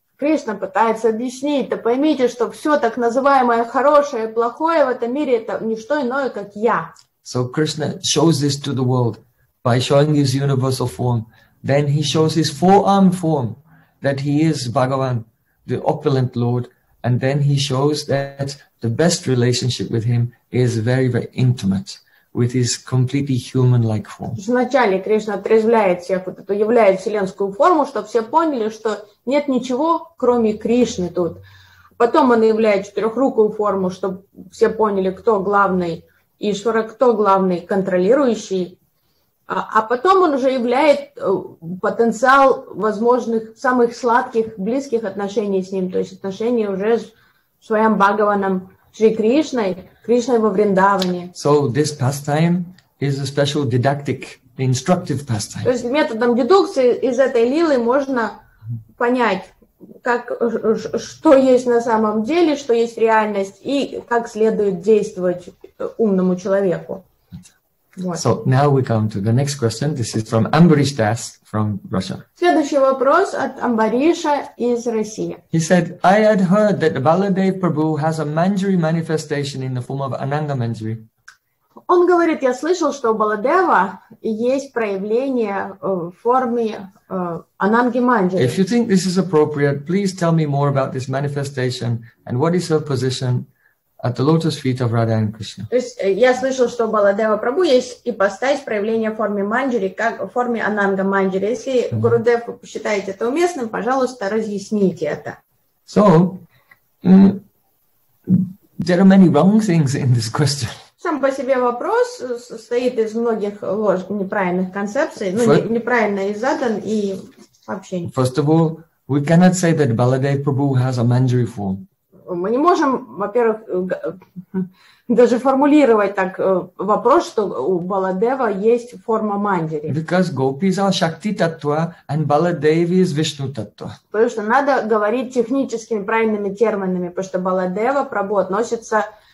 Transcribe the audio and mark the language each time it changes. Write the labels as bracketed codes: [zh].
[ru] Кришна пытается объяснить, да поймите, что все так называемое хорошее и плохое в этом мире, это не что иное, как я. [en] So Krishna shows this to the world by showing his universal form. Then he shows his four-armed form, that he is Bhagavan, the opulent Lord, and then he shows that the best relationship with him is very, very intimate, with his completely human-like form. [ru] Вначале Кришна отрезвляет всех, вот эту являет вселенскую форму, чтобы все поняли, что нет ничего, кроме Кришны тут. Потом он являет четырехрукую форму, чтобы все поняли, кто главный Ишвара, кто главный контролирующий. А потом он уже являет потенциал возможных самых сладких, близких отношений с ним, то есть отношения уже с своим Бхагаваном Шри Кришной, Кришной во Вриндаване. [en] So this pastime is a special didactic, instructive pastime. [ru] То есть методом дедукции из этой лилы можно понять, как, что есть на самом деле, что есть реальность и как следует действовать умному человеку. [en] So now we come to the next question. This is from Ambarish Das from Russia. [ru] Следующий вопрос от Амбариша из России. [en] He said, I had heard that the Baladev Prabhu has a Manjari manifestation in the form of Ananga Manjari. [ru] Он говорит, я слышал, что у Баладева есть проявление в форме Ананги Манджари. [en] If you think this is appropriate, please tell me more about this manifestation and what is her position at the lotus feet of Radha and Krishna. [ru] То есть я слышал, что у Баладева Прабу есть ипостась проявления в форме Манджари, как в форме Ананга Манджари. Если Гурудев считает это уместным, пожалуйста, разъясните это. [en] So, there are many wrong things in this question. [ru] Сам по себе вопрос состоит из многих ложных, неправильных концепций, ну, неправильно и задан, и вообще нет. [en] First of all, we cannot say that Baladev Prabhu has a Manjari form. [ru] Мы не можем, во-первых, даже формулировать так вопрос, что у Баладева есть форма Манджари. [en] Because gopis are Shakti Tattva and Baladev is Vishnu Tattva. [ru] Потому что надо говорить техническими правильными терминами, потому что Баладева Прабу относится...